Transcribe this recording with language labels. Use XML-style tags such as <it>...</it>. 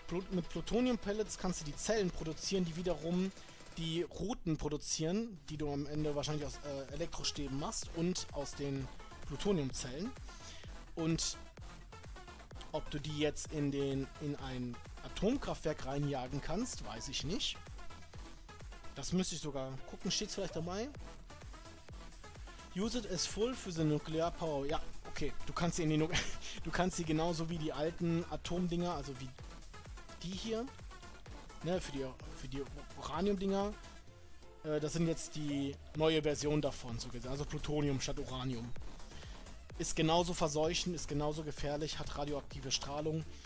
<de>Mit Plutonium-Pellets kannst du die Zellen produzieren, die wiederum die Routen produzieren, die du am Ende wahrscheinlich aus Elektrostäben machst und aus den Plutoniumzellen. Und ob du die jetzt in ein Atomkraftwerk reinjagen kannst, weiß ich nicht. Das müsste ich sogar gucken. Steht's vielleicht dabei?</de> <en>Use it as full für the nuclear power.</en> <de>Ja, okay. Du kannst sie in die du kannst sie genauso wie die alten Atomdinger, also wie die hier, ne, für die Uraniumdinger. Das sind jetzt die neue Version davon, so gesehen. Also Plutonium statt Uranium. Ist genauso verseuchend, ist genauso gefährlich, hat radioaktive Strahlung.</de>